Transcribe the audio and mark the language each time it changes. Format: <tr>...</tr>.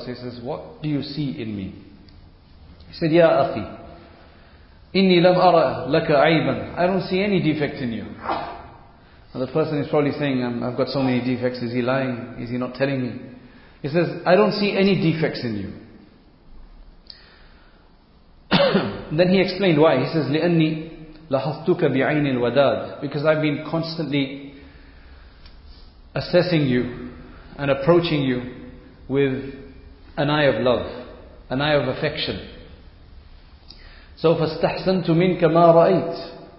<en>So he says, what do you see in me? He said,</en> <ar>Ya Akhi, Inni lam ara laka aiban.</ar> <en>I don't see any defect in you. And the person is probably saying, I've got so many defects. Is he lying? Is he not telling me? He says, I don't see any defects in you. Then he explained why. He says,</en> <ar>لِأَنِّي لَحَظْتُكَ بِعَيْنِ الْوَدَادِ.</ar> <en>Because I've been constantly assessing you and approaching you with an eye of love, an eye of affection.</en> <ar>So فَاسْتَحْسَنْتُ مِنْكَ مَا رَأَيْتِ.</ar>